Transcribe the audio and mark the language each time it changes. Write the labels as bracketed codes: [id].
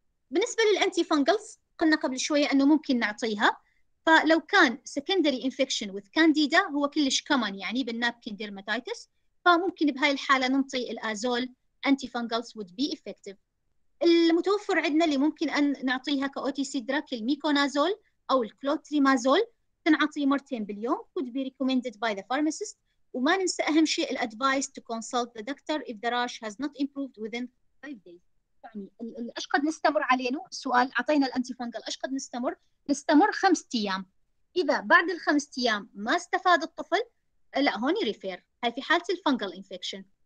[ar] بالنسبة للأنتي فانجلز قلنا قبل شوية أنه ممكن نعطيها، فلو كان [en] secondary infection with candida [ar] هو كلش كمان يعني بالنابكين ديرماتيتس، فممكن بهاي الحالة ننطي الأزول أنتي فانجلز [en] would be effective. [ar] المتوفر عندنا اللي ممكن أن نعطيها كOTC drug الميكونازول أو الكلوتريمازول، تنعطي مرتين باليوم [en] would be recommended by the pharmacist. [ar] وما ننسى أهم شيء الأدفايس [en] to consult the doctor if the rash has not improved within 5 days. [ar] يعني أشقد نستمر علينه سؤال، أعطينا الأنتي فانجل أشقد نستمر؟ نستمر 5 أيام، إذا بعد الـ5 أيام ما استفاد الطفل لا هوني ريفير، هاي في حالة الفنجل انفكشن.